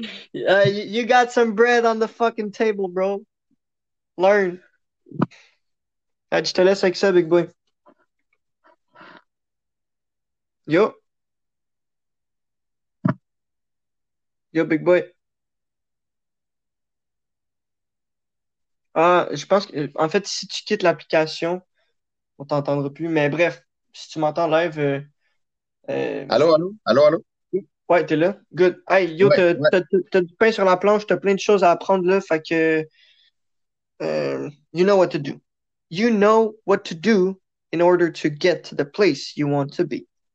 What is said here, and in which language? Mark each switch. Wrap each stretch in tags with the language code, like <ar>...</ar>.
<en>You got some bread on the fucking table, bro. Learn.</en> <fr>Ah, je te laisse avec ça, big boy. Yo. Yo, big boy. Ah, je pense que, en fait, si tu quittes l'application, on t'entendra plus. Mais bref, si tu m'entends live, Allô, allô, allô, allô. ouais, t'es là.</fr> <en>Good. Hey, yo,</en> <fr>Ouais. t'as du pain sur la planche, t'as plein de choses à apprendre là.</fr> <en>Fait que, you know what to do. You know what to do in order to get to the place you want to be.</en>